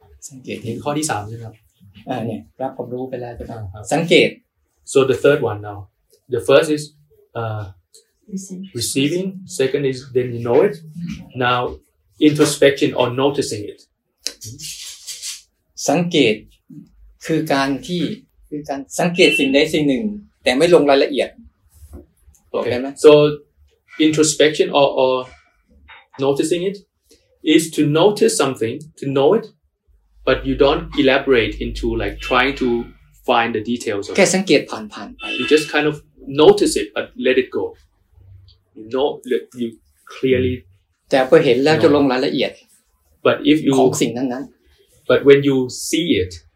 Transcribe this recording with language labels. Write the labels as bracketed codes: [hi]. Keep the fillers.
[th] สังเกตเห็นข้อที่สามใช่ไหมครับอ่าเนี่ ยรับความรู้ไปแล้วสังเก ต [en] so the third one now the first is uh, Receiving. receiving. Second is then you know it. Now, introspection or noticing it. [th] สังเกตคือการที่คือการสังเกตสิ่งใดสิ่งหนึ่งแต่ไม่ลงรายละเอียดโอเคไหม [en] okay. So introspection or or noticing it is to notice something to know it but you don't elaborate into like trying to find the details of [th] แค่สังเกตผ่านๆไป [en] You just kind of notice it but let it go you know that you clearly [th] แต่พอเห็นแล้วจะลงรายละเอียด [en] but if you [th] ของสิ่งนั้นนั้น [en] but when you see it